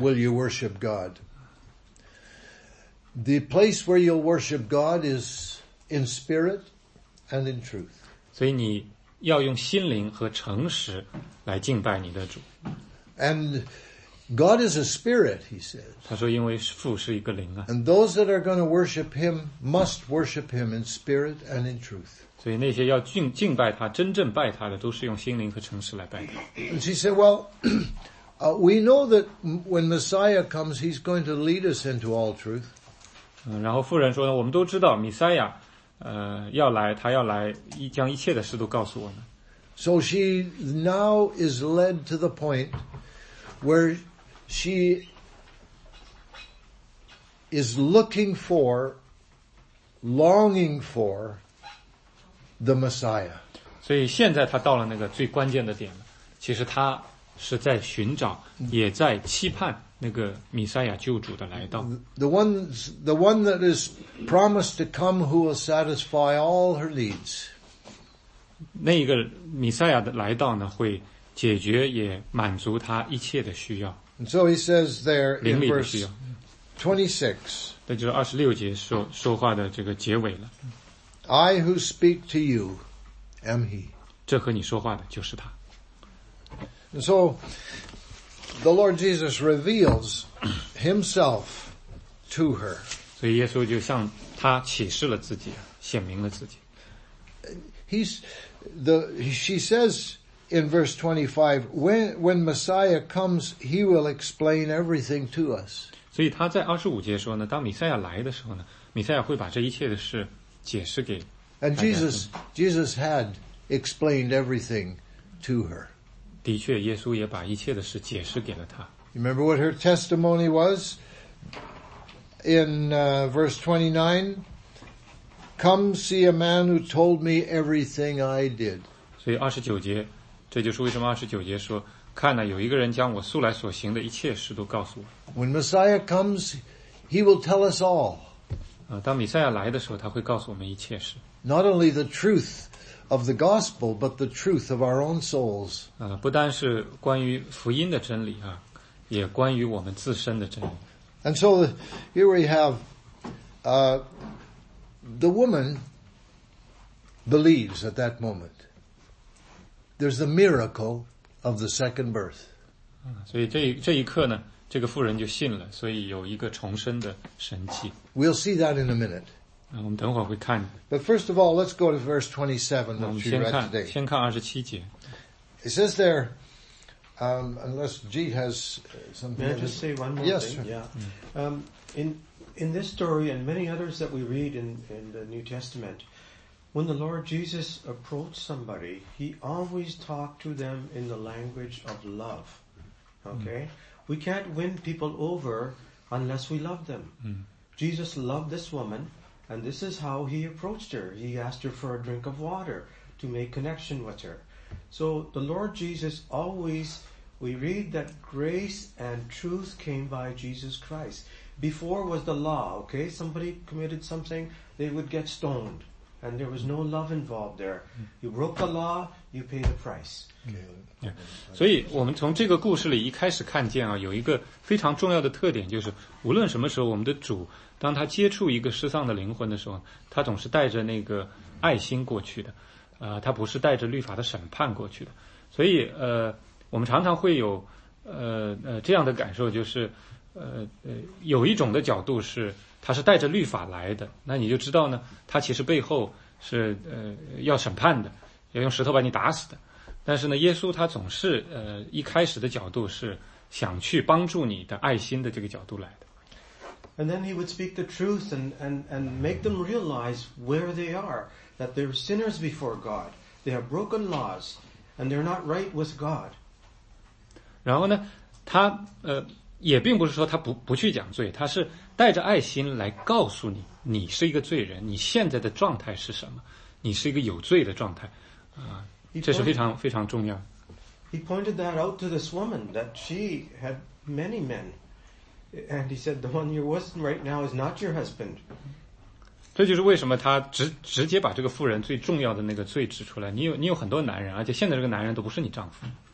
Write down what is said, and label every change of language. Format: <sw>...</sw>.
<en>Will you worship God? The place where you'll worship God is in spirit and in truth.</en> <zh>所以你要用心灵和诚实来敬拜你的主。</zh> <en>And God is a spirit, he says.</en> <zh>他说因为父是一个灵啊。</zh> <en>And those that are going to worship him must worship him in spirit and in truth.</en> <zh>所以那些要敬拜他，真正拜他的，都是用心灵和诚实来拜他。</zh> <en>And she said, well, we know that when Messiah comes, he's going to lead us into all truth.</en> <zh>然后妇人说呢，我们都知道弥赛亚要来，他要来将一切的事都告诉我们。</zh> <en>So she now is led to the point where she is looking for, longing for the Messiah.</en> <zh>所以现在他到了那个最关键的点了。其实他是在寻找，也在期盼那个弥赛亚救主的来到。</zh> <en>The one that is promised to come who will satisfy all her needs.</en> <zh>那一个弥赛亚的来到呢，会解决也满足他一切的需要。</zh> <en>And so he says there in verse 26.</en> <zh>那就是26节说话的这个结尾了。</zh> <en>I who speak to you am he.</en> <zh>这和你说话的就是他。</zh> <en>And so the Lord Jesus reveals himself to her.</en> <zh>所以耶稣就向他启示了自己，显明了自己。</zh> <en>She says, in verse 25, when Messiah comes, he will explain everything to us.</en> <zh>所以他在25节说呢，当弥赛亚来的时候呢，弥赛亚会把这一切的事解释给大家。</zh> <en>And Jesus had explained everything to her.</en> <zh>的确，耶稣也把一切的事解释给了他。</zh> <en>Remember what her testimony was? In verse 29, come see a man who told me everything I did.</en> <zh>所以29节，这就是为什么29节说，看呢，有一个人将我素来所行的一切事都告诉我。</zh> <en>When Messiah comes, he will tell us all.</en> <zh>当弥赛亚来的时候，他会告诉我们一切事。</zh> <en>Not only the truth of the gospel, but the truth of our own souls.</en> <zh>不单是关于福音的真理啊，也关于我们自身的真理。</zh> <en>And so here we have, the woman believes at that moment. There's the miracle of the second birth.</en> <zh>所以这一刻呢，这个妇人就信了，所以有一个重生的神迹。</zh> <en>We'll see that in a minute.</en> <zh>我们等会儿会看。</zh> <en>But first of all, let's go to verse 27 that you read today.</en> <zh>先看27节。</zh> <en>It says there, unless G has something. May I just say one more yes, thing? Sir. Yeah. In this story and many others that we read in the New Testament, when the Lord Jesus approached somebody, he always talked to them in the language of love. Okay? Mm. We can't win people over unless we love them. Mm. Jesus loved this woman, and this is how he approached her. He asked her for a drink of water to make connection with her. So the Lord Jesus always We read that grace and truth came by Jesus Christ. Before was the law, okay? Somebody committed something, they would get stoned. And there was no love involved there. You broke the law, you pay the price. Okay. Yeah.</en> <zh>所以我们从这个故事里一开始看见啊，有一个非常重要的特点，就是无论什么时候，我们的主当他接触一个失丧的灵魂的时候，他总是带着那个爱心过去的，他不是带着律法的审判过去的。所以我们常常会有这样的感受，就是有一种的角度是他是带着律法来的，那你就知道呢，他其实背后是要审判的，要用石头把你打死的。但是呢，耶稣他总是一开始的角度是想去帮助你的爱心的这个角度来的。</zh> <en>And then he would speak the truth and make them realize where they are, that they're sinners before God, they have broken laws, and they're not right with God.</en> <zh>然后呢，他也并不是说他不去讲罪，他是带着爱心来告诉你，你是一个罪人，你现在的状态是什么，你是一个有罪的状态，这是非常非常重要。</zh> <en>He pointed that out to this woman that she had many men, and he said the one you're with right now is not your husband.</en> <zh>这就是为什么他直接把这个妇人最重要的那个罪指出来。你有很多男人，而且现在这个男人都不是你丈夫。</zh>